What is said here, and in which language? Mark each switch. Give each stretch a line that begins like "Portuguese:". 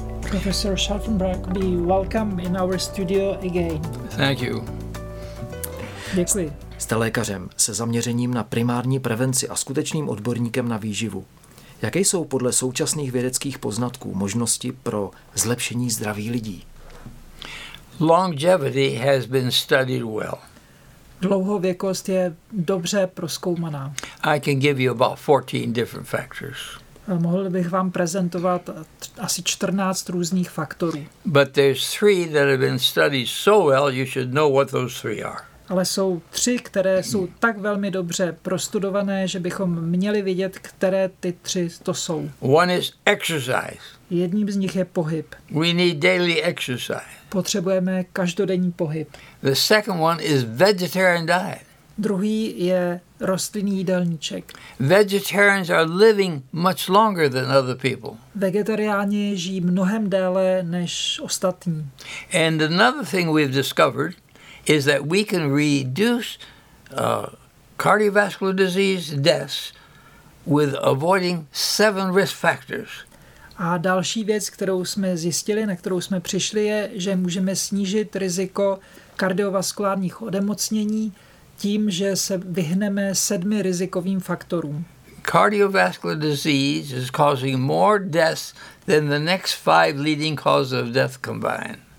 English: Professor Scharfenberg, be welcome in our studio again. Thank you.
Czech: Děkuji. Jste lékařem se zaměřením na primární prevenci a skutečným odborníkem na výživu. Jaké jsou podle současných vědeckých poznatků možnosti pro zlepšení zdraví lidí?
English: Longevity has been studied well.
Czech: Dlouhověkost je dobře prozkoumaná.
English: I can give you about 14 different factors.
Czech: Mohl bych vám prezentovat asi 14 různých faktorů.
English: But there's three that have been studied so well, you should know what those three are.
Czech: Ale jsou tři, které jsou tak velmi dobře prostudované, že bychom měli vidět, které ty tři to jsou.
English: One is exercise.
Czech: Jedním z nich je pohyb.
English: We need daily exercise.
Czech: Potřebujeme každodenní pohyb.
English: The second one is vegetarian diet.
Czech: Druhý je rostlinný jídelníček.
English: Vegetarians are living much longer than other people.
Czech: Vegetariáni žijí mnohem déle než ostatní.
English: And another thing we've discovered is that we can reduce cardiovascular disease deaths with avoiding 7 risk factors.
Czech: A další věc, kterou jsme zjistili, na kterou jsme přišli, je, že můžeme snížit riziko kardiovaskulárních onemocnění tím, že se vyhneme 7 rizikovým faktorům.
English: Cardiovascular disease is causing more deaths than the next 5 leading causes of death combined.